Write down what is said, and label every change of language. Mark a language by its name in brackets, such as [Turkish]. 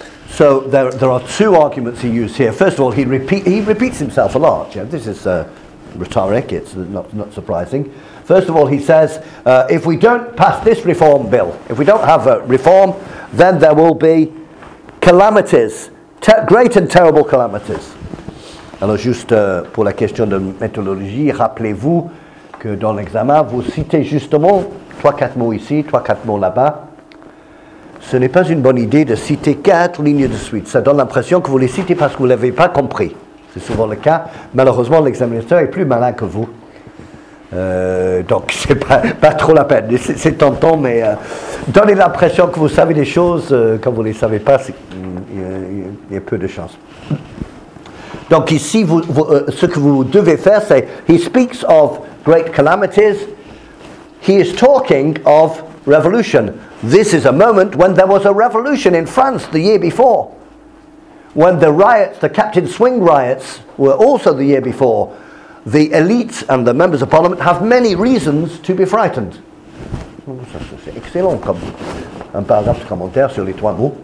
[English] So there are two arguments he used here. First of all, he repeats himself a lot. Yeah, this is rhetoric, it's not surprising. First of all, he says, if we don't pass this reform bill, if we don't have a reform, then there will be calamities, great and terrible calamities. [French] Alors juste pour la question de méthodologie, rappelez-vous que dans l'examen, vous citez justement 3-4 mots ici, 3-4 mots là-bas. Ce n'est pas une bonne idée de citer 4 lignes de suite. Ça donne l'impression que vous les citez parce que vous ne l'avez pas compris. C'est souvent le cas. Malheureusement, l'examinateur est plus malin que vous. Donc, ce n'est pas trop la peine. C'est tentant, mais donnez l'impression que vous savez des choses. Quand vous ne les savez pas, il y a peu de chance. Donc ici, ce que vous devez faire, c'est « [English] He speaks of great calamities. He is talking of revolution. This is a moment when there was a revolution in France the year before. When the riots, the Captain Swing riots, were also the year before. The elites and the members of parliament have many reasons to be frightened. » [French] C'est excellent comme un paragraphe de commentaire sur les trois mots.